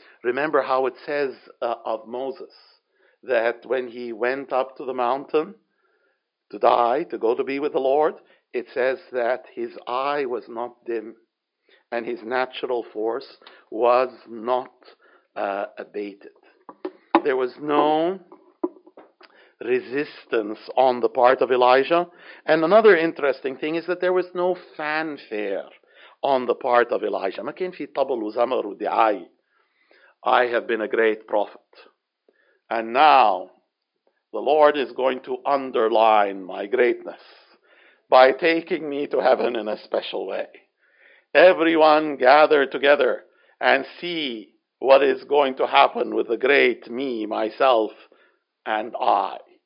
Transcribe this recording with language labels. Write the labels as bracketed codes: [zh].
[en] Remember how it says of Moses that when he went up to the mountain to die, to go to be with the Lord, it says that his eye was not dim and his natural force was not abated. There was no resistance on the part of Elijah. And another interesting thing is that there was no fanfare on the part of Elijah. [ar] ما كان في طبل وزمر ودعاية. [en] "I have been a great prophet, and now the Lord is going to underline my greatness by taking me to heaven in a special way. Everyone gather together and see what is going to happen with the great me, myself, and I."